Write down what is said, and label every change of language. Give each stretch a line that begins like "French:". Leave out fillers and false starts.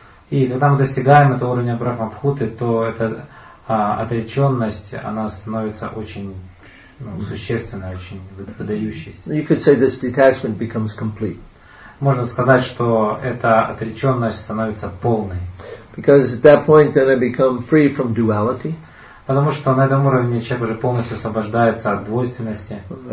Russian: И когда мы достигаем этого уровня Брахма Будды, то это отреченность, она становится очень существенной, очень выдающейся.
English: You could say this detachment becomes complete.
Russian: Можно сказать, что эта отреченность становится полной.
English: Because at that point then I become free from duality.
Russian: Потому что на этом уровне человек уже полностью освобождается от двойственности.